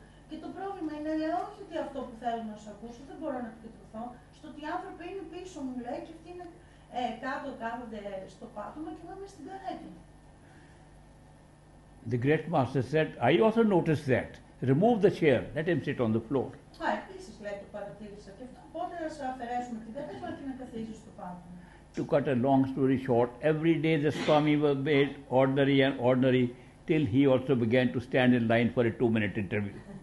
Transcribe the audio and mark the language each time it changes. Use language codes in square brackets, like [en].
[el] Και το πρόβλημα είναι, λέει, όχι ότι αυτό που θέλω να σου ακούσω, δεν μπορώ να επικεντρωθώ, στο ότι οι άνθρωποι είναι πίσω μου, λέει, και αυτοί είναι κάτω, κάθονται στο πάτωμα και εγώ είμαι στην καρέκλα. [en] The great master said, I also noticed that. Remove the chair, let him sit on the floor. [el] Α, επίσης, λέει, το παρατήρησα και αυτό, πότε να σε αφαιρέσουμε την καρέκλα και να καθίσεις στο πάτωμα. [en] To cut a long story short, every day the Swami was made ordinary and ordinary till he also began to stand in line for a 2-minute interview.